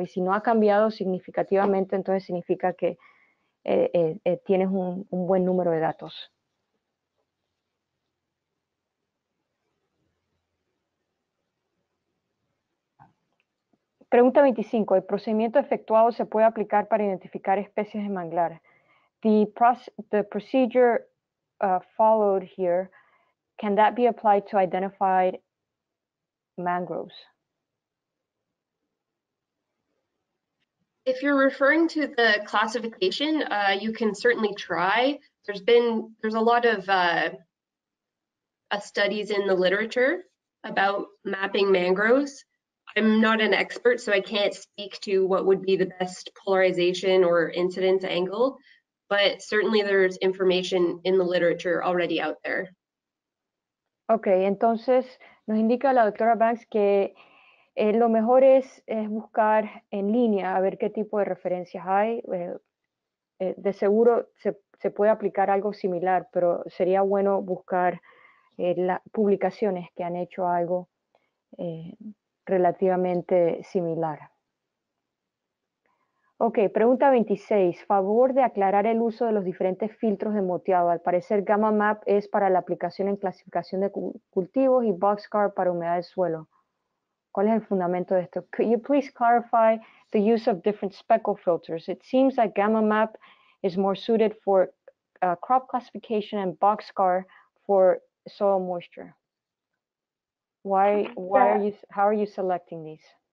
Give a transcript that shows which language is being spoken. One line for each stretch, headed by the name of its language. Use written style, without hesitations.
Spanish: Y si no ha cambiado significativamente, entonces significa que tienes un buen número de datos. Pregunta 25. ¿El procedimiento efectuado se puede aplicar para identificar especies de manglar?
English: The procedure followed here, can that be applied to identify mangroves? If you're referring to the classification, you can certainly try. There's a lot of studies in the literature about mapping mangroves. I'm not an expert, so I can't speak to what would be the best polarization or incidence angle, but certainly there's information in the literature already out there.
Spanish: Okay, entonces nos indica la doctora Banks que lo mejor es buscar en línea a ver qué tipo de referencias hay. De seguro se puede aplicar algo similar, pero sería bueno buscar las publicaciones que han hecho algo relativamente similar. Ok, pregunta 26. Favor de aclarar el uso de los diferentes filtros de moteado. Al parecer, Gamma Map es para la aplicación en clasificación de cultivos y Boxcar para humedad de suelo. ¿Cuál es el fundamento de esto?
English: Could you please clarify the use of different speckle filters? It seems that Gamma Map is more suited for crop classification and Boxcar for soil moisture. How are you selecting these?